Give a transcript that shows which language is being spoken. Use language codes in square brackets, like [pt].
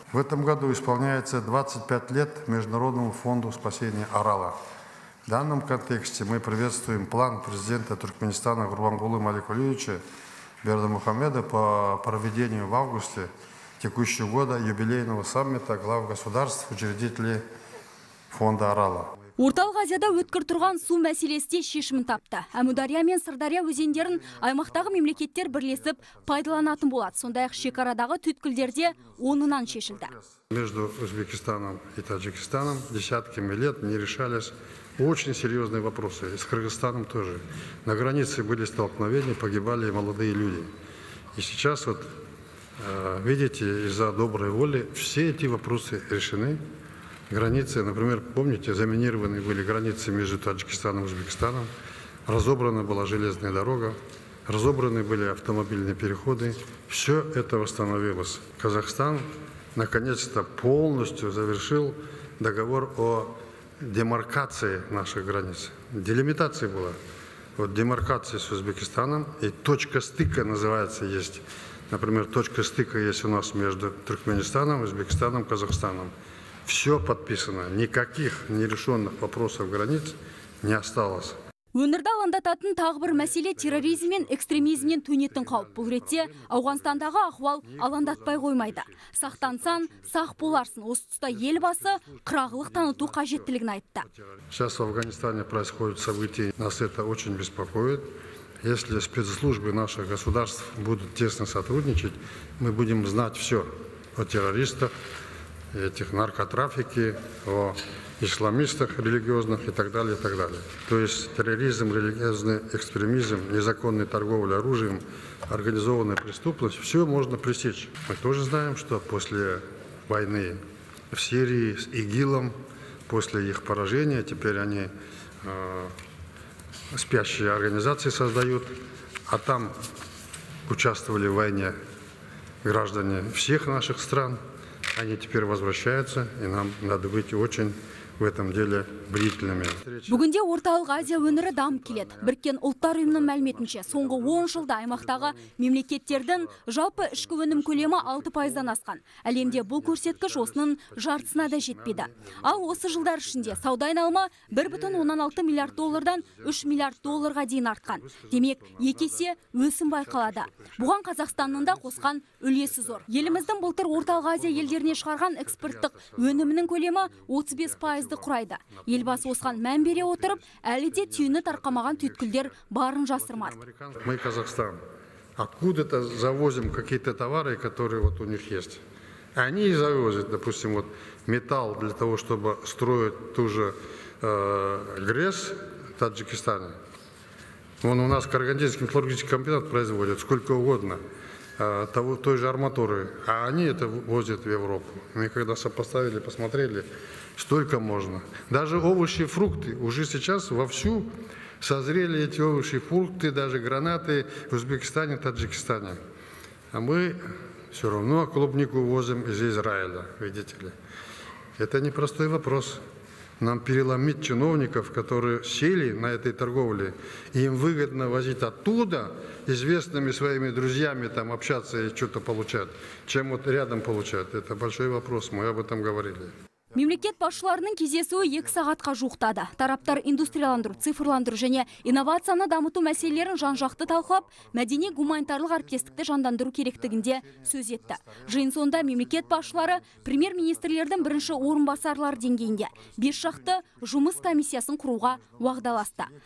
[ru] В этом году исполняется 25 лет Международному фонду спасения Арала. В данном контексте мы приветствуем план президента Туркменистана Гурбангулы Маликулевича Бердымухамеда по проведению в августе текущего года юбилейного саммита глав государств, учредителей фонда Арала. [kk] Орталық Азияда өткір тұрған су мәселесте шешімін тапты. Әмудария мен Сырдария өзендерін аймақтағы мемлекеттер бірлесіп пайдаланатын болады. Сондай-ақ шекарадағы түйткілдерде онынан шешілді. [ru] Между Узбекистаном и Таджикистаном десятками лет не решались очень серьезные вопросы. И с Кыргызстаном тоже. На границе были столкновения, погибали молодые люди. И сейчас вот видите, из-за доброй воли все эти вопросы решены. Границы, например, помните, заминированы были границы между Таджикистаном и Узбекистаном, разобрана была железная дорога, разобраны были автомобильные переходы. Все это восстановилось. Казахстан наконец-то полностью завершил договор о демаркации наших границ. Делимитация была. Вот демаркация с Узбекистаном и точка стыка называется есть. Например, точка стыка есть у нас между Туркменистаном, Узбекистаном, Казахстаном. Все подписано, никаких нерешенных вопросов границ не осталось. [kk] Өңірді алаңдататын тағы бір мәселе терроризм мен экстремизмнен төнетін қауіп. Бұл ретте Ауғанстандағы ахуал алаңдатпай қоймайды. Сақтансан, сақ боларсын. Осы тұста елбасы қырағылық таныту қажеттілігін айтты. [ru] Сейчас в Афганистане происходит событие, нас это очень беспокоит. Если спецслужбы наших государств будут тесно сотрудничать, мы будем знать все о террористах, этих наркотрафики, о исламистах религиозных и так далее, и так далее. То есть терроризм, религиозный экстремизм, незаконная торговля оружием, организованная преступность – все можно пресечь. Мы тоже знаем, что после войны в Сирии с ИГИЛом, после их поражения, теперь они спящие организации создают, а там участвовали в войне граждане всех наших стран. Они теперь возвращаются, и нам надо быть очень в этом деле бдительными. [kk] Бүгінде Орталық Азия өңірі дамып келеді. Біріккен ұлттар ұйымының мәліметінше, соңғы 10 жылда аймақтағы мемлекеттердің жалпы ішкі өнім көлемі 6%-дан асқан. Әлемде бұл көрсеткіш осының жартысына да жетпеді. Ал осы жылдар ішінде сауда айналымы 1,16 миллиард доллардан 3 миллиард долларға дейін артқан. Демек, екі есе өсім байқалады. Бұған Қазақстанның да қосқан үлесі зор. Еліміздің былтыр Орталық Азия елдеріне шығарған экспорттық өнімінің көлемі 35%-ды құрайды. Елбасы осыған мән бере отырып, әлі де түйіні тарқамаған түйткілдер барын жасырмады. [ru] Мы, Казахстан, откуда-то завозим какие-то товары, которые вот у них есть. Они и завозят, допустим, вот металл для того, чтобы строить ту же ГРЭС в Таджикистане. Вон у нас Карагандинский металлургический комбинат производит сколько угодно той же арматуры, а они это возят в Европу. Мы когда сопоставили, посмотрели, столько можно. Даже овощи и фрукты уже сейчас вовсю созрели эти овощи и фрукты, даже гранаты в Узбекистане, Таджикистане. А мы все равно клубнику возим из Израиля, видите ли. Это непростой вопрос. Нам переломить чиновников, которые сели на этой торговле, и им выгодно возить оттуда известными своими друзьями там общаться и что-то получать, чем вот рядом получать. Это большой вопрос, мы об этом говорили. [kk] Мемлекет басшыларының кездесуі 2 сағатқа жуықтады. Тараптар индустрияландыру, цифрландыру және инновацияны дамыту мәселелерін жан-жақты талқылап, мәдени-гуманитарлық әріптестікті жандандыру керектігінде сөз етті. Жиын соңында мемлекет басшылары премьер-министрлердің бірінші орынбасарлар деңгейінде 5 шақты жұмыс комиссиясын құруға уағдаласты.